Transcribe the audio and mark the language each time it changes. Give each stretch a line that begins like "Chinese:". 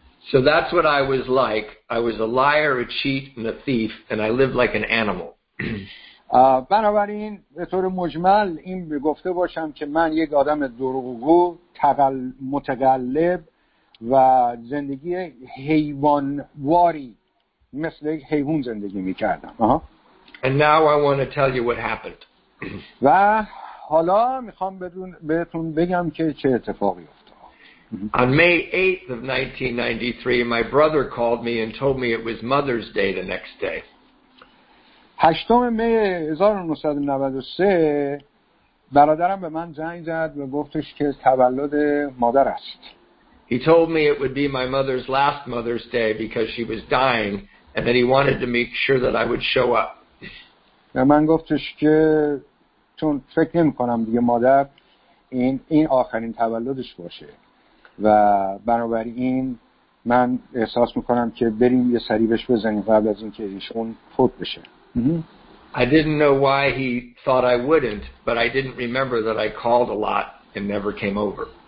English: So that's what I was like. I was a liar, a cheat, and a thief, and I lived like an animal.
Persian: بنابراین به طور مجمل این گفته باشم که من یک آدم دروغگو، متقلب و زندگی حیوانواری مثل یک حیوان زندگی می‌کردم.
English: And now I want to tell you what happened.
Persian: و حالا میخوام بهتون بگم که چه اتفاقی افتاد.
English: On May 8th of 1993, my brother called me and told me it was Mother's Day the next day. 8th May 1993
Persian: برادرم به من زنگ زد و گفتش که تولد مادر است.
English: He told me it would be my mother's last Mother's Day because she was dying and that he wanted to make sure that I would show up.
Persian: و من گفتش که چون فکر نمی کنم دیگه مادر این آخرین تولدش باشه و بنابراین من احساس میکنم که بریم یه سری بهش بزنیم قبل از این که ایشون فوت بشه.
English: I didn't know why he thought I wouldn't, but I didn't remember that I called a lot and never came over.